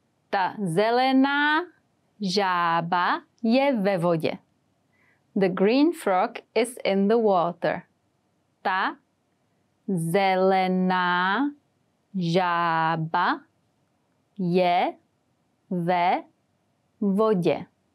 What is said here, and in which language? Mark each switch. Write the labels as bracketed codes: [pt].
[cs] Ta zelená žába je ve vodě. [en] The green frog is in the water. [cs] Ta zelená žába je ve vodě.